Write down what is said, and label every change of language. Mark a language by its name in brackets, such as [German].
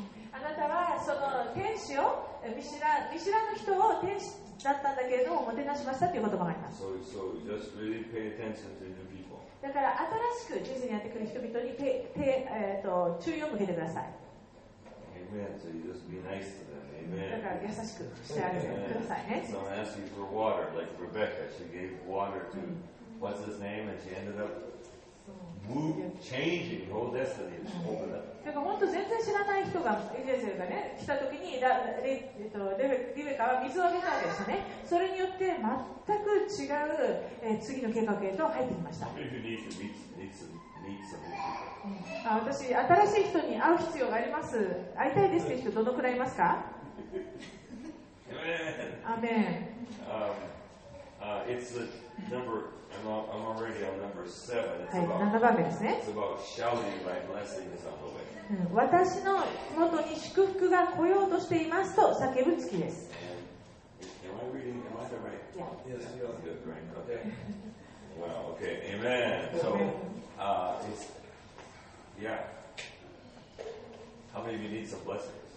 [Japanese] あなたはその天使を見知らぬ人を天使だったんだけれどももてなしましたという言葉があります。 [English] so just really pay attention to new people. [Japanese] だから新しく地図にやってくる人々に注意を向けてください。 [English] Amen. So you just be nice to them. Amen. [Japanese] だから優しくしてあげてくださいね。 [English] So I'm asking for water, like Rebecca. She gave water to what's his name, and she ended up changing her whole destiny. [Japanese] だから本当全然知らない人がイエスがね来た時にリベカは水をあげたわけですね。それによって全く違う、次の計画へと入ってきました。私新しい人に会う必要があります。会いたいですという人どのくらいいますか。アメン。 [English] It's the number, I'm already on number 7. [Japanese] はい、7番目ですね。 [English] It's about shouting my blessing is on the way. [Japanese] 私の元に祝福が来ようとしていますと叫ぶ月です。 [English] Can I read Yeah. Yes, you are. Good brain. Okay. Well, okay. Amen. So, it's, yeah. How many of you need some blessings?